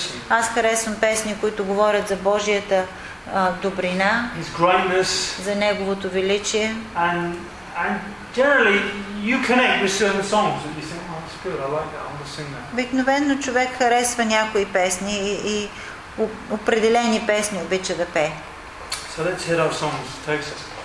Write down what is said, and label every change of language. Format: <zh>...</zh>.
<bg>Аз харесвам песни, които говорят за Божията добрина,</bg> <en>His greatness,</en> <bg>за Неговото величие.</bg> <en>And generally you connect with certain songs and you think, oh, that's good, I like that, I want to sing that.</en> <bg>Обикновено човек харесва някои песни и определени песни обича да пее.</bg> <en>So let's hit our songs, Texas.</en>